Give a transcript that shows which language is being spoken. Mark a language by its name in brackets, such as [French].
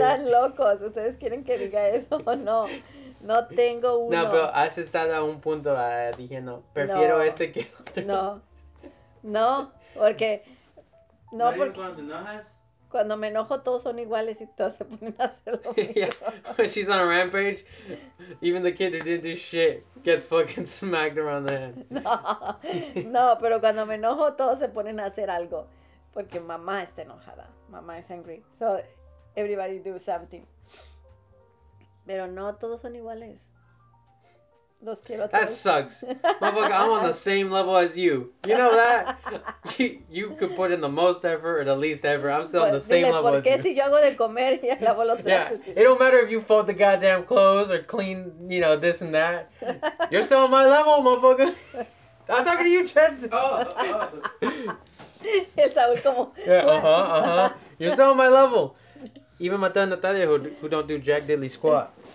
[Spanish] Están locos. Ustedes quieren que diga eso o no. No tengo uno. No, pero has estado a un punto diciendo, prefiero no. Este que otro. No. No, porque no, [English] not [Spanish] porque [English] even fun, [Spanish] cuando me enojo todos son iguales y todos se ponen a hacer lo mismo. [English] Yeah. When she's on a rampage, even the kid who didn't do shit gets fucking smacked around the head. [Spanish] No, pero cuando me enojo todos se ponen a hacer algo porque mamá está enojada, [English] mamá is angry, so everybody do something. [Spanish] Pero no todos son iguales. Los quiero a todos. [English] That sucks. Motherfucker, I'm on the same level as you. You know that? You could put in the most effort or the least effort. I'm still on the same level as you. [Spanish] Si yo hago de comer y lavo los trastes. [English] Yeah. It don't matter if you fold the goddamn clothes or clean, you know, this and that. You're still on my level, motherfucker. I'm talking to you, Chance. [Spanish] El Saúl como... [English] You're still on my level. Even Mateo and Natalia, who don't do jack diddly squat.